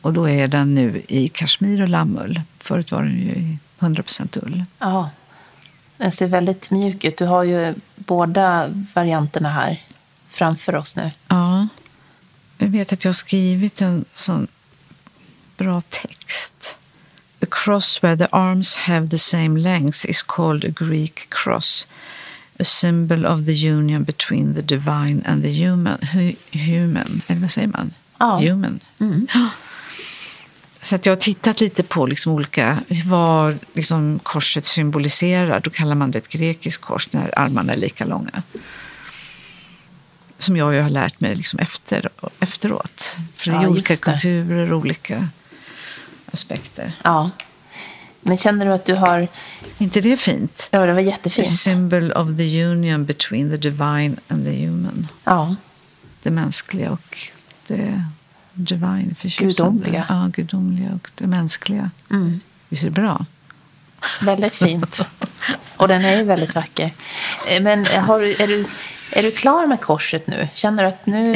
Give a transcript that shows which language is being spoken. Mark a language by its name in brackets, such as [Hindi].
[Swedish] Och då är den nu i kashmir och lammull. Förut var den ju 100% ull. Ja, den ser väldigt mjuk ut. Du har ju båda varianterna här framför oss nu. Ja, jag vet att jag har skrivit en sån bra text. [English] A cross where the arms have the same length is called a Greek cross. A symbol of the union between the divine and the human. [Swedish] Human, eller vad säger man? Ja. [English] Human. [Swedish] Mm. Så att jag har tittat lite på liksom olika, vad liksom korset symboliserar. Då kallar man det ett grekiskt kors när armarna är lika långa. Som jag ju har lärt mig liksom efteråt. För det är olika kulturer, olika aspekter. Ja. Men känner du att du har... Inte det är fint? Ja, det var jättefint. [English] A symbol of the union between the divine and the human. [Swedish] Ja. Det mänskliga och det divine, förtjusande. Gudomliga. Ja, gudomliga och det mänskliga. Mm. Visst är det bra? Väldigt fint. Och den är ju väldigt vacker. Men är du klar med korset nu? Känner du att nu